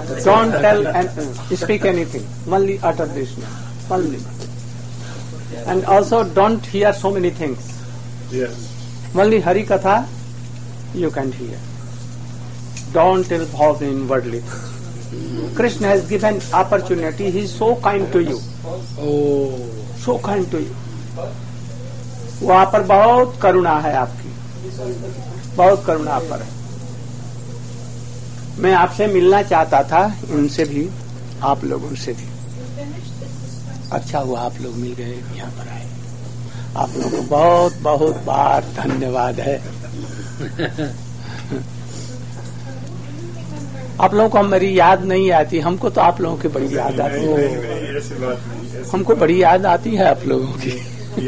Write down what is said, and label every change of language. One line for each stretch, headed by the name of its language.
English: Don't tell anything speak anything मल्ली utter this मल्ली and also don't hear so many things Yes. Only Hari Katha, you can hear. Don't involve inwardly. Krishna has given opportunity. He is so kind to you. Oh. So kind to you.
Hindi: वहाँ पर बहुत करुणा है आपकी. बहुत करुणा आप पर है. मैं आपसे मिलना चाहता था उनसे भी आप लोगों से भी. अच्छा हुआ आप लोग मिल गए यहाँ पर आए. आप लोगों को बहुत बहुत बार धन्यवाद है आप लोगों को हमारी याद नहीं आती हमको तो आप लोगों की बड़ी याद आती है हमको बड़ी याद आती है आप लोगों की